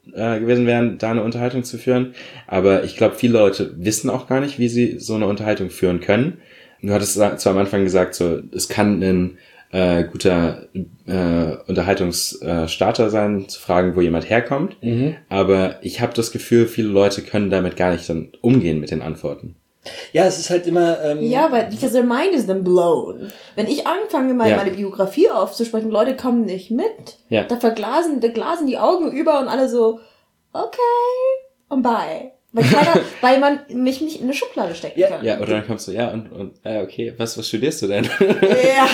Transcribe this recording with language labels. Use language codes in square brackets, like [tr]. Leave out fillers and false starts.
[de] gewesen wären, da eine Unterhaltung zu führen. Aber ich glaube, viele Leute wissen auch gar nicht, wie sie so eine Unterhaltung führen können. Du hattest zwar am Anfang gesagt, so, es kann ein guter Unterhaltungsstarter sein, zu fragen, wo jemand herkommt. Mhm. Aber ich habe das Gefühl, viele Leute können damit gar nicht dann umgehen mit den Antworten. Ja, es ist halt immer... [en] Ja, but because their mind is then blown. [de] Wenn ich anfange, meine Biografie aufzusprechen, Leute kommen nicht mit. Ja. Da glasen die Augen über und alle so, okay, und bye. Weil man mich nicht in eine Schublade stecken kann. Ja, oder dann kommst du, okay, was studierst du denn? Ja.